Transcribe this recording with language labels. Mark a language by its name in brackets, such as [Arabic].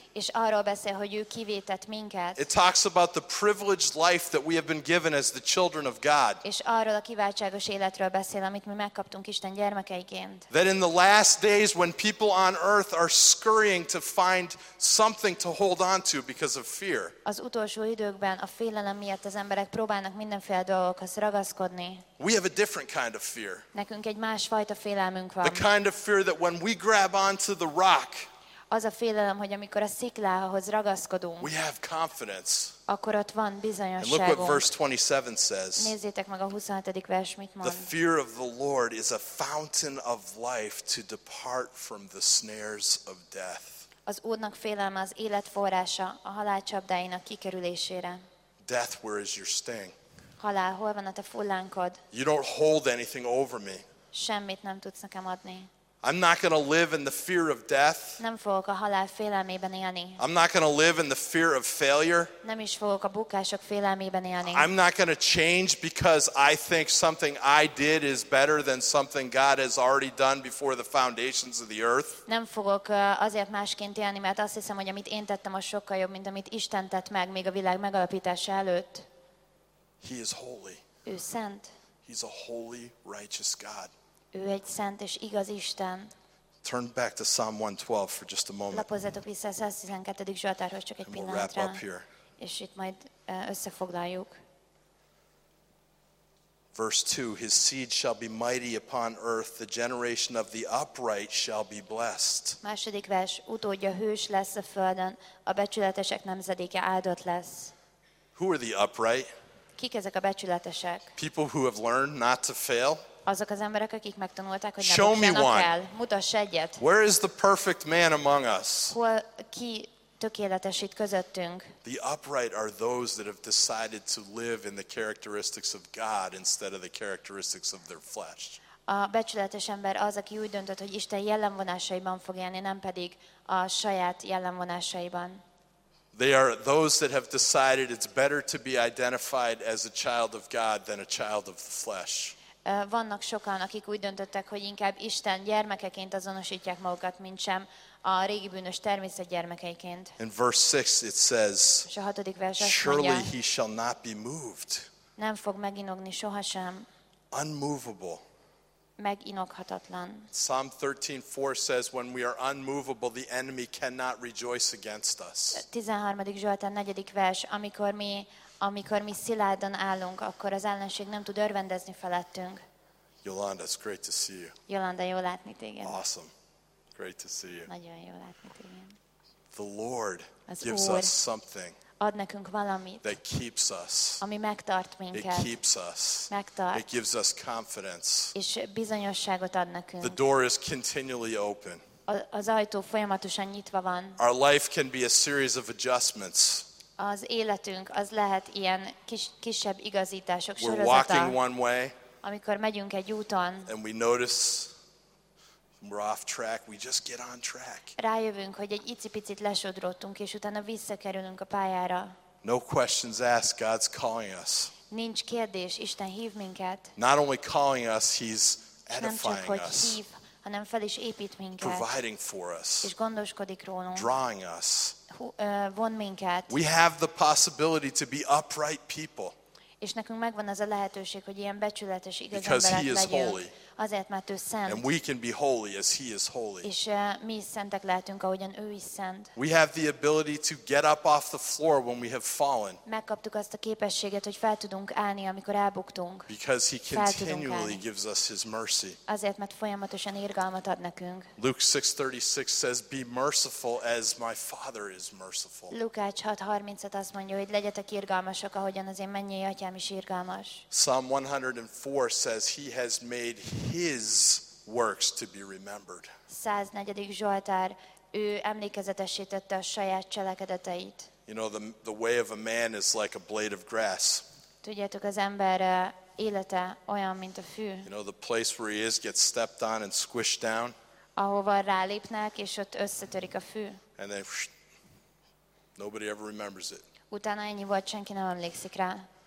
[Hungarian] És arról beszél, hogy ő kivétett minket. [English] It talks about the privileged life that we have been given as the children of God. [Hungarian] És arról a kiváltságos életről beszél, amit mi megkaptunk Isten gyermekeiként. [English] That in the last days when people on earth are scurrying to find something to hold on to because of fear. [Hungarian] Az utolsó időkben a félelem miatt az emberek próbálnak mindenféle dolgokhoz ragaszkodni. [English] We have a different kind of fear. [Hungarian] Nekünk egy másfajta félelmünk van. [English] The kind of fear that when we grab onto the rock. [Hungarian] Az a félelem, hogy amikor a sziklához ragaszkodunk. [English] We have confidence. [Hungarian] Akkor ott van bizonyosságunk. [English] Look what verse 27 says. [Hungarian] Nézzétek meg a 27. vers mit mond. [English] The fear of the Lord is a fountain of life to depart from the snares of death. [Hungarian] Az Úrnak félelme az élet forrása a halál csapdáinak kikerülésére. [English] Death, where is your sting? [Hungarian] Halál, hol van a te fullánkod? [English] You don't hold anything over me. [Hungarian] Semmit nem tudsz nekem adni. [English] I'm not going to live in the fear of death. [Hungarian] Nem fogok a halál félelmében élni. [English] I'm not going to live in the fear of failure. [Hungarian] Nem is fogok a bukások félelmében élni. [English] I'm not going to change because I think something I did is better than something God has already done before the foundations of the earth. [Hungarian] Nem fogok azért másként élni, mert azt hiszem, hogy amit én tettem, az sokkal jobb, mint amit Isten tett meg még a világ megalapítása előtt. [English] He is holy. [Hungarian] Ő szent. [English] He's a holy, righteous God. [Hungarian] Ő egy szent és igaz Isten. [English] Turn back to Psalm 112 for just a moment. [Hungarian] Lapozzatok vissza a 112. Zsoltárhoz csak egy pillanatra. [English] And we'll wrap up here. [Hungarian] És itt majd összefoglaljuk. [English] Verse 2, his seed shall be mighty upon earth, the generation of the upright shall be blessed. [Hungarian] Második vers, utódja hős lesz a földön, a becsületesek nemzedéke áldott lesz. [English] Who are the upright? [Hungarian] Kik ezek a becsületesek? [English] People who have learned not to fail. [Hungarian] Azok az emberek, akik megtanulták, hogy ne bukjanak el. Mutass egyet. [English] Where is the perfect man among us? [Hungarian] Hol ki tökéletes itt közöttünk? [English] The upright are those that have decided to live in the characteristics of God instead of the characteristics of their flesh. [Hungarian] A becsületes ember az, aki úgy döntött, hogy Isten jellemvonásaiban fog élni, nem pedig a saját jellemvonásaiban. [English] They are those that have decided it's better to be identified as a child of God than a child of the flesh. [Hungarian] Vannak sokan, akik úgy döntöttek, hogy inkább Isten gyermekeként azonosítják magukat, mint sem a régi bűnös természet gyermekeiként. [English] In verse 6 it says, surely he shall not be moved. [Hungarian] Nem fog meginogni sohasem. [English] Unmovable. [Hungarian] Meginoghatatlan. [English] Psalm 13:4 says, when we are unmovable, the enemy cannot rejoice against us. [Hungarian] 13. Zsoltár 4. vers, amikor mi szilárdan állunk, akkor az ellenség nem tud örvendezni felettünk. [English] Yolanda, it's great to see you. [Hungarian] Yolanda, jó látni téged. [English] Awesome. Great to see you. [Hungarian] Nagyon jó látni téged. [English] The Lord [Hungarian] az [English] gives [Hungarian] Úr [English] us something [Hungarian] ad nekünk valamit, [English] that keeps us. [Hungarian] Ami megtart minket. [English] It keeps us. [Hungarian] Megtart. [English] It gives us confidence. [Hungarian] És bizonyosságot ad nekünk. [English] The door is continually open. [Hungarian] Az ajtó folyamatosan nyitva van. [English] Our life can be a series of adjustments. [Hungarian] Az életünk az lehet ilyen kisebb igazítások [English] We're [Hungarian] sorozata. [English] Walking one way, [Hungarian] amikor megyünk egy úton, [English] and we notice we're off track, we just get on track. [Hungarian] Rájövünk, hogy egy icipicit lesodródtunk, és utána visszakerülünk a pályára. [English] No questions asked, God's calling us. [Hungarian] Nincs kérdés, Isten hív minket. [English] Not only calling us, he's edifying us. [Hungarian] Nem csak, hogy hív, hanem fel is épít minket. [English] Providing for us. [Hungarian] És gondoskodik rólunk. [English] Drawing us. [Hungarian] Von minket. [English] We have the possibility to be upright people. [Hungarian] És nekünk megvan az a lehetőség, hogy ilyen becsületes, igaz emberek legyünk. Azért, mert ő szent. [English] And we can be holy as he is holy. [Hungarian] És mi is szentek lehetünk, ahogyan ő is szent. [English] We have the ability to get up off the floor when we have fallen. [Hungarian] Megkaptuk azt a képességet, hogy fel tudunk állni, amikor elbuktunk. [English] Because he continually gives us his mercy. [Hungarian] Azért, mert folyamatosan irgalmat ad nekünk. [English] Luke 6:36 says, "Be merciful as my Father is merciful." [Hungarian] Lukács 6:35 azt mondja, hogy legyetek irgalmasak, ahogyan az én mennyei atyám is irgalmas. [English] Psalm 104 says, "He has made his works to be remembered." [Hungarian] 104. Zsoltár, ő emlékezetessé tette a saját cselekedeteit. [English] You know, the way of a man is like a blade of grass. [Hungarian] Tudjátok, az ember élete olyan, mint a fű. [English] You know, the place where he is gets stepped on and squished down. [Hungarian] Ahova rálépnek, és ott összetörik a fű. [English] And then nobody ever remembers it. [Hungarian] Utána ennyi volt, senki nem emlékszik rá.